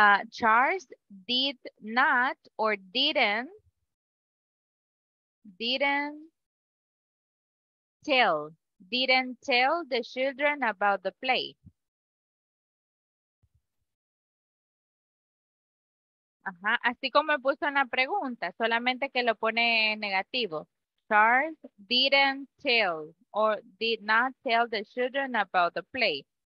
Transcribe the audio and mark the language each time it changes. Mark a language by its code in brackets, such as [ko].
[en] Charles did not or didn't tell the children about the play. [es] Ajá, así como me puso en la pregunta, solamente que lo pone negativo. [en] Charles didn't tell or did not tell the children about the play.